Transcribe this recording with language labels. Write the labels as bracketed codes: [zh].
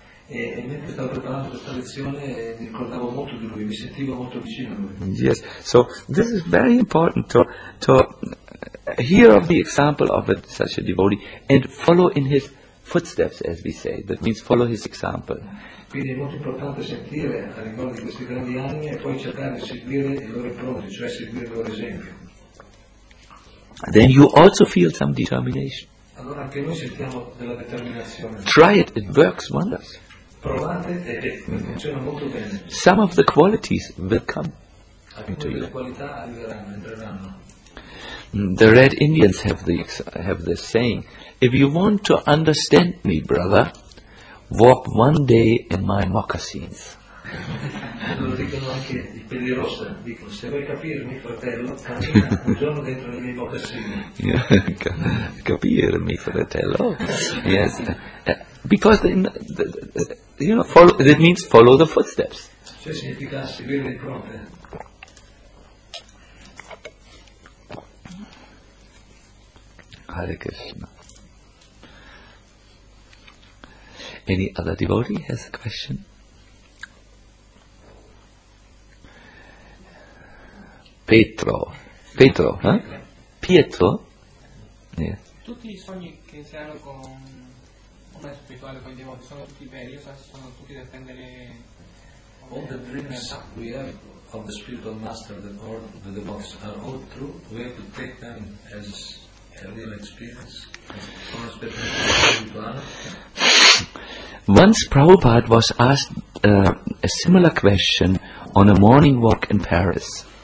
[en] Yes, so this is very important to hear of the example of such a devotee and follow in his footsteps, as we say. That means follow his example. [it] Quindi è molto importante sentire a ricordo di questi grandi anni e poi cercare di seguire il loro prodigio, cioè seguire il loro esempio. [en] Then you also feel some determination. [it] Allora anche noi sentiamo della determinazione. [en] Try it, it works wonders. [it] Provate e funziona molto bene. [en] Some of the qualities will come into you. [it] Alcune qualità arriveranno, entreranno. [en] The Red Indians have the saying, if you want to understand me, brother, walk one day in my moccasins. [it] Lo dicono anche i peli rossi, dicono, se vuoi capirmi, fratello, cammina un giorno dentro le mie moccasini. Capirmi, fratello. [en] Yes. Because you know, follow, that means follow the footsteps. [it] Cioè significa seguire le impronte. [en] Hare Krishna. Any other devotee has a question? [it] Pietro, sì. Pietro? [en] Yeah. [it] Tutti i sogni che si hanno con me spirituale, con i devoti, sono tutti veri, sono tutti da prendere. [en] All the dreams we have of the spiritual master, the Lord, the devotees, are all true. We have to take them as a real experience, from a spiritual. Once Prabhupada was asked a similar question on a morning walk in Paris.